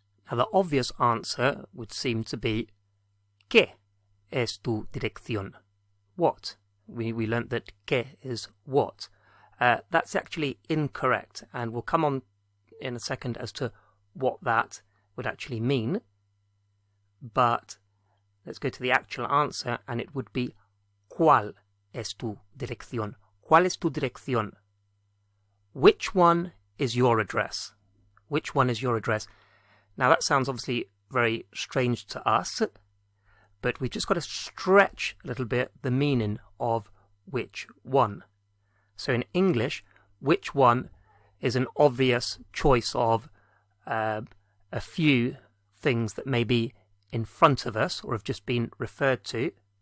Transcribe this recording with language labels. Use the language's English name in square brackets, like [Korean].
[English] Now, the obvious answer would seem to be, [Spanish] ¿qué es tu dirección? [English] What? We learnt that ¿qué is what? That's actually incorrect, and we'll come on in a second as to what that would actually mean. But let's go to the actual answer, and it would be [Spanish] ¿cuál es tu dirección? ¿Cuál es tu dirección? [English] Which one is your address? Which one is your address? Now, that sounds obviously very strange to us, but we've just got to stretch a little bit the meaning of which one. So in English, which one is an obvious choice of a few things that may be in front of us or have just been referred to.